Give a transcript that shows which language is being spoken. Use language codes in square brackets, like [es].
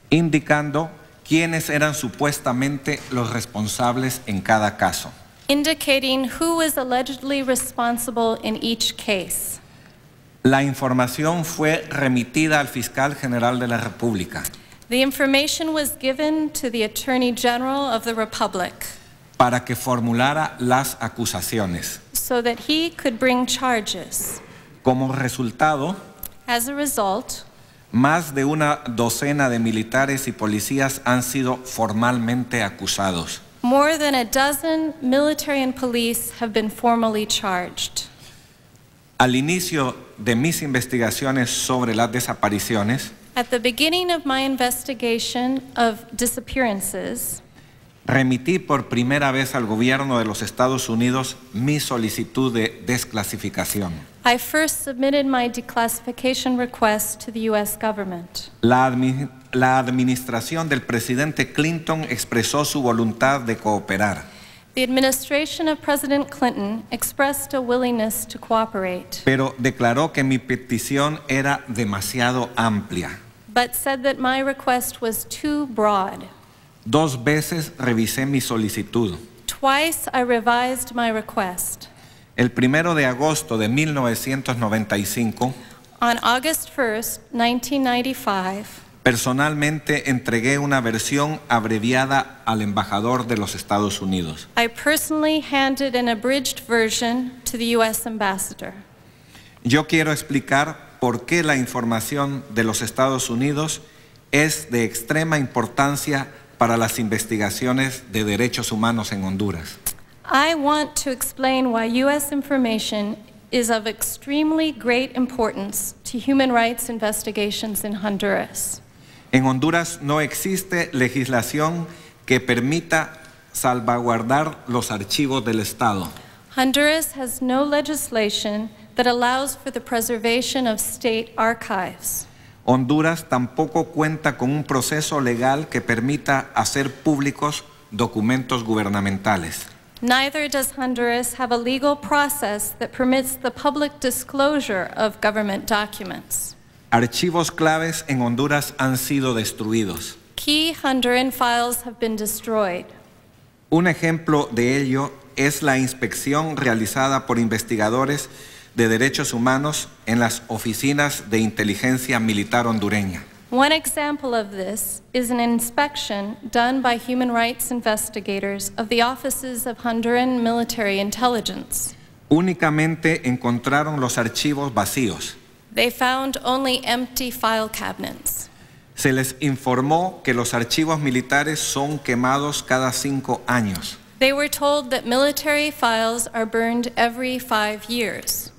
[es] Indicando quiénes eran supuestamente los responsables en cada caso. [en] Indicating who was allegedly responsible in each case. [es] La información fue remitida al Fiscal General de la República. [en] The information was given to the Attorney General of the Republic. [es] Para que formulara las acusaciones. [en] So that he could bring charges. [es] Como resultado, [en] as a result, [es] más de una docena de militares y policías han sido formalmente acusados. [en] More than a dozen military and police have been formally charged. [es] Al inicio de mis investigaciones sobre las desapariciones, [en] at the beginning of my investigation of disappearances, [es] remití por primera vez al gobierno de los Estados Unidos mi solicitud de desclasificación. [en] I first submitted my declassification request to the U.S. government. [es] La, admi- La administración del presidente Clinton expresó su voluntad de cooperar. [en] The administration of President Clinton expressed a willingness to cooperate. [es] Pero declaró que mi petición era demasiado amplia. [en] But said that my request was too broad. [es] Dos veces revisé mi solicitud. [en] Twice I revised my request. [es] El primero de agosto de 1995. [en] On August 1st, 1995. [es] Personalmente entregué una versión abreviada al embajador de los Estados Unidos. [en] I personally handed an abridged version to the U.S. ambassador. [es] Yo quiero explicar por qué la información de los Estados Unidos es de extrema importancia para las investigaciones de derechos humanos en Honduras. [en] I want to explain why U.S. information is of extremely great importance to human rights investigations in Honduras. [es] En Honduras no existe legislación que permita salvaguardar los archivos del Estado. [en] Honduras has no legislation that allows for the preservation of state archives. [es] Honduras tampoco cuenta con un proceso legal que permita hacer públicos documentos gubernamentales. [en] Neither does Honduras have a legal process that permits the public disclosure of government documents. [es] Archivos claves en Honduras han sido destruidos. [en] Key Honduran files have been destroyed. [es] Un ejemplo de ello es la inspección realizada por investigadores de derechos humanos en las oficinas de inteligencia militar hondureña. [en] One example of this is an inspection done by human rights investigators of the offices of Honduran military intelligence. [es] Únicamente encontraron los archivos vacíos. [en] They found only empty file cabinets. [es] Se les informó que los archivos militares son quemados cada 5 años. [en] They were told that military files are burned every 5 years.